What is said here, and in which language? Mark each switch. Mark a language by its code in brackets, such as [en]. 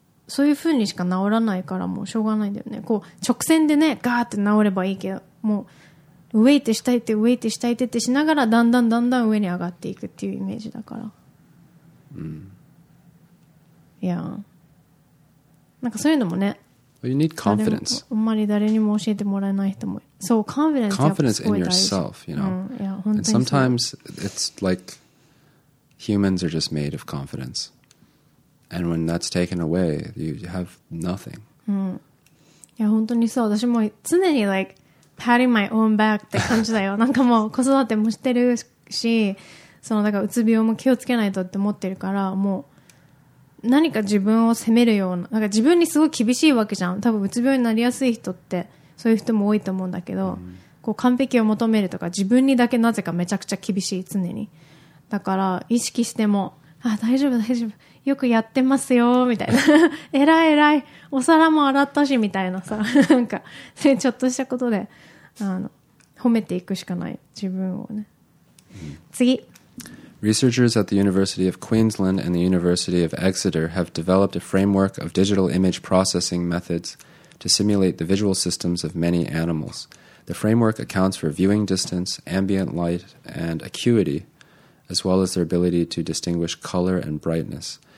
[ja] そういう風にしか治らないからもうしょうがないんだよね。こう直線でねガーって治ればいいけど、もうウェイトしたいってウェイトしたいってしながらだんだんだんだん上に上がっていくっていうイメージだから。うん。いや。なんかそういうのもね。 [en] Well, you need confidence. [ja] あんまり誰にも教えてもらえない人も。そう、confidence やっぱすごい大事。 [en] Confidence in yourself, you know. [ja] うん、いや、本当に。 [en] And sometimes it's like humans are just made of confidence. And when that's taken away, you have nothing. Yeah, [ja] 本当にそう。私も常に [en] like patting my own back [ja] って感じだよ。なんかもう子育てもしてるし、そのだからうつ病も気をつけないとって思ってるから、もう何か自分を責めるような、なんか自分にすごい厳しいわけじゃん。多分うつ病になりやすい人ってそういう人も多いと思うんだけど、こう完璧を求めるとか、自分にだけなぜかめちゃくちゃ厳しい常に。だから意識しても。あ、大丈夫大丈夫、よくやってますよみたいな、えらいえらい、お皿も洗ったしみたいなさ、なんかちょっとしたことで褒めていくしかない自分をね。次。 [en] Researchers at the University of Queensland and the University of Exeter have developed a framework of digital image processing methods to simulate the visual systems of many animals. The framework accounts for viewing distance, ambient light and acuityas well as their ability to distinguish color and brightness.